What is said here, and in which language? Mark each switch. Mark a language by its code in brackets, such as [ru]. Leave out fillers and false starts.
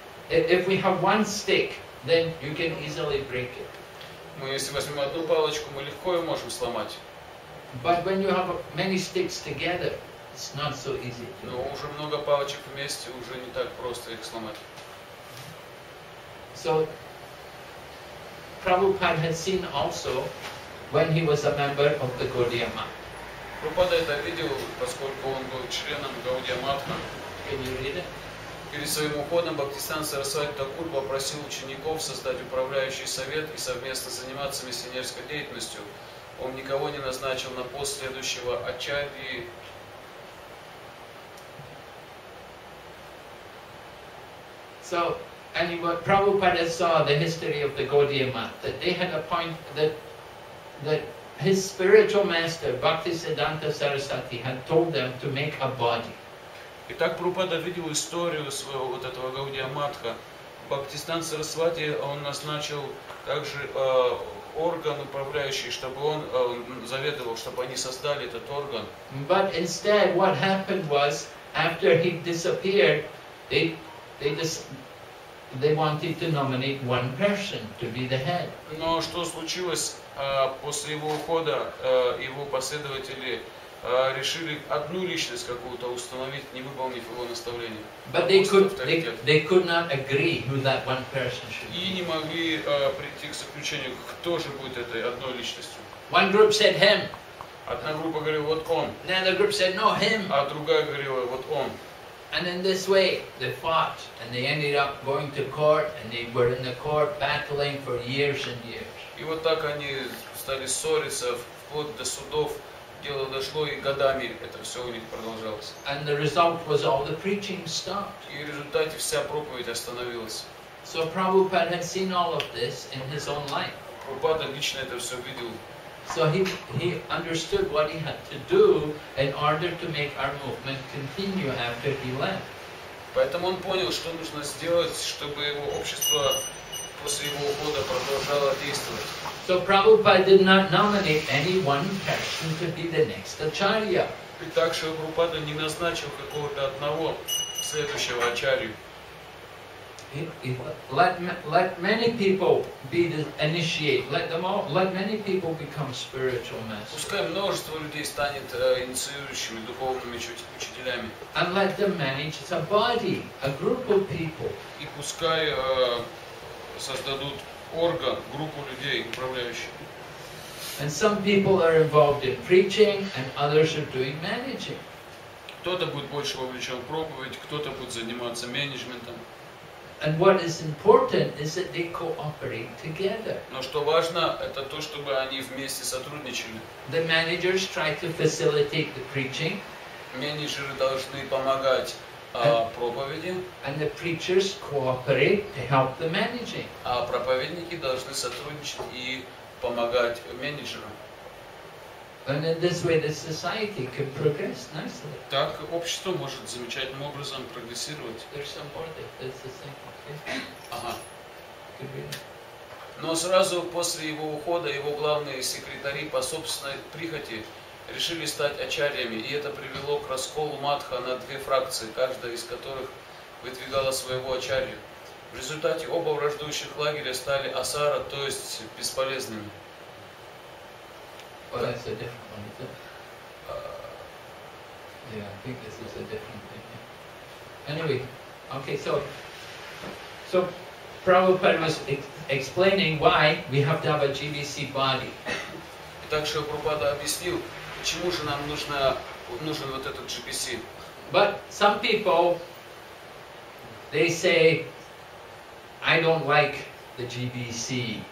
[en] If we have one stick, then you can easily break it. [ru] Мы если возьмем одну палочку, мы легко ее можем сломать. [en] But when you have many sticks together, it's not so easy. [ru] Но уже много палочек вместе, уже не так просто их сломать. [en] So Prabhupada had seen also when he was a member of the Gaudiya Math. [ru] Prabhupada это видел, поскольку он был членом Gaudiya Math. [en] Can you read it? [ru] Перед своим уходом Бхактисиддханта Сарасвати Такур попросил учеников создать управляющий совет и совместно заниматься миссионерской деятельностью. Он никого не назначил на пост следующего Ачарьи. [en] So, anyway, Prabhupada saw the history of the Gaudiya Math, that they had appointed, that his spiritual master, Bhaktisiddhanta Sarasvati, had told them to make a body. [ru] Итак, Прабхупада видел историю своего вот этого Гаудия Матха. Бхактисиддханта Сарасвати он назначил также орган управляющий, чтобы он заведовал, чтобы они создали этот орган. [en] But instead, what happened was after he disappeared, they wanted to nominate one person to be the head. [ru] Но что случилось после его ухода его последователи решили одну личность какую-то установить, не выполнив его наставление. [en] But they could not agree who that one person should be. [ru] И не могли прийти к заключению, кто же будет этой одной личностью. [en] One group said him. [ru] Одна группа говорила вот он. [en] Another group said no him. [ru] А другая говорила вот он. [en] And in this way, they fought, and they ended up going to court, and they were in the court battling for years and years. [ru] И вот так они стали ссориться вплоть до судов. Дело дошло, и годами это все у них продолжалось. [en] And the result was all the preaching stopped. [ru] И в результате вся проповедь остановилась. [en] So Prabhupada had seen all of this in his own life. [ru] Прабхупада лично это все видел. [en] So he understood what he had to do in order to make our movement continue after he left. [ru] Поэтому он понял, что нужно сделать, чтобы его общество после его ухода продолжало действовать. [en] So Prabhupada did not nominate any one person to be the next acharya. [ru] И так что Прабхупада не назначил какого-то одного следующего ачарью. [en] Let many people be the initiate. Let many people become spiritual masters. [ru] Пускай множество людей станет инициирующими духовными учителями. [en] And let them manage a body, a group of people. [ru] И пускай создадут орган, группу людей управляющих. [en] And some people are involved in preaching, and others are doing managing. [ru] Кто-то будет больше вовлечен в проповедь, кто-то будет заниматься менеджментом. [en] And what is important is that they cooperate together. [ru] Но что важно, это то, чтобы они вместе сотрудничали. [en] The managers try to facilitate the preaching. [ru] Менеджеры должны помогать проповеди. [en] And the preachers cooperate to help the managing. [ru] А проповедники должны сотрудничать и помогать менеджерам. [en] And in this way, the society can progress nicely. [ru] Так общество может замечательным образом прогрессировать. [en] There's some more there. That's the same. [ru] Ага. Но сразу после его ухода его главные секретари по собственной прихоти решили стать ачарьями, и это привело к расколу Мадха на две фракции, каждая из которых выдвигала своего ачарью. В результате оба враждующих лагеря стали асара, то есть бесполезными. [en] Well, that's a different one, isn't it? Yeah, I think this is a different thing. Anyway, okay, so Prabhupada was explaining why we have to have a GBC body. [ru] Итак, что Прабхупада объяснил, почему же нам нужен вот этот GBC? [en] But some people, they say, I don't like the GBC.